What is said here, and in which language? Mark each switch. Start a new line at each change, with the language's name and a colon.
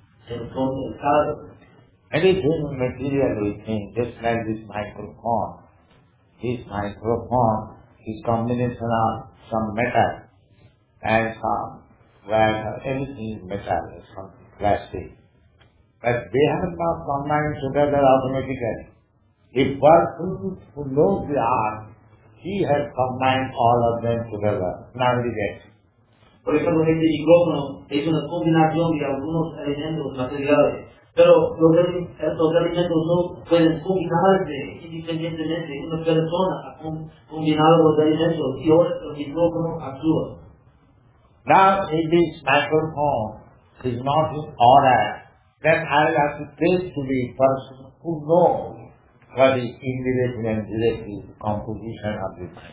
English: he has his anything material we think, just like this microphone, this microphone is combination of some matter. And where anything is metal, something plastic. But they have not combined together automatically. If person who knows the art, he has combined all of them together. Now it is it.
Spanish: Por ejemplo, este micrófono es una combinación de algunos elementos materiales. Pero los elementos no pueden combinarse independientemente. Una persona ha combinado los elementos y otro micrófono actúa.
English: Now, if this microphone is not in order, then I will have to take to the person who knows what the indirect and direct composition of this